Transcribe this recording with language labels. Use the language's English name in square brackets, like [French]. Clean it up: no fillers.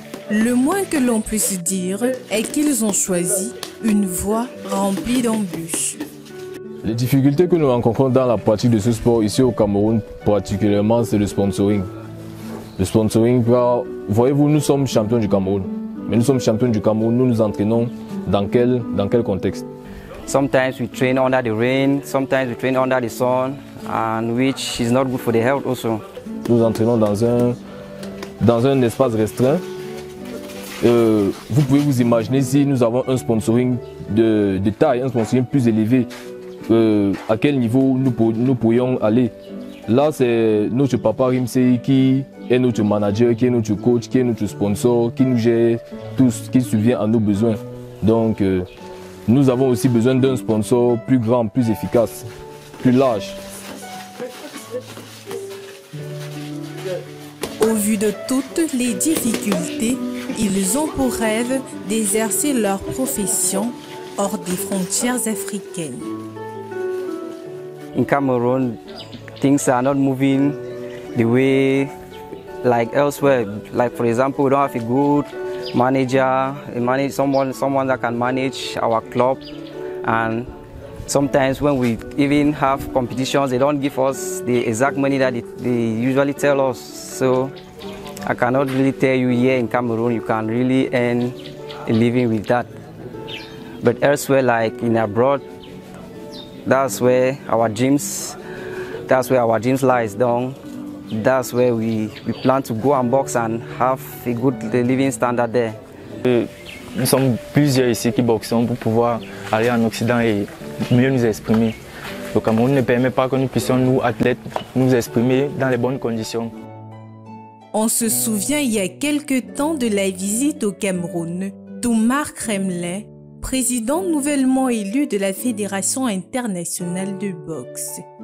[French] Le moins que l'on puisse dire est qu'ils ont choisi une voie remplie d'embûches. Les difficultés que nous rencontrons dans la pratique de ce sport ici au Cameroun, particulièrement, c'est le sponsoring. Le sponsoring, voyez-vous, nous sommes champions du Cameroun. Mais nous sommes champions du Cameroun, nous nous entraînons dans quel contexte? [English] Sometimes we train under the rain, sometimes we train under the sun, and which is not good for the health also. [French] Nous entraînons dans un espace restreint. Vous pouvez vous imaginer si nous avons un sponsoring de taille, un sponsoring plus élevé. À quel niveau nous pourrions aller. Là, c'est notre papa Rim Sey qui est notre manager, qui est notre coach, qui est notre sponsor, qui nous gère tous, qui subvient à nos besoins. Donc, nous avons aussi besoin d'un sponsor plus grand, plus efficace, plus large. Au vu de toutes les difficultés, ils ont pour rêve d'exercer leur profession hors des frontières africaines. [English] In Cameroon, things are not moving the way like elsewhere. Like for example, we don't have a good manager, someone that can manage our club. And sometimes when we even have competitions, they don't give us the exact money that they usually tell us. So I cannot really tell you here in Cameroon, you can really earn a living with that. But elsewhere, like in abroad, That's where our dreams lies. Donc, that's where we plan to go and box and have a good living standard there. [French] Nous sommes plusieurs ici qui boxons pour pouvoir aller en Occident et mieux nous exprimer. Le Cameroun ne permet pas que nous puissions, nous athlètes, nous exprimer dans les bonnes conditions. On se souvient il y a quelque temps de la visite au Cameroun d'Oumar Kremlin, président nouvellement élu de la Fédération internationale de boxe.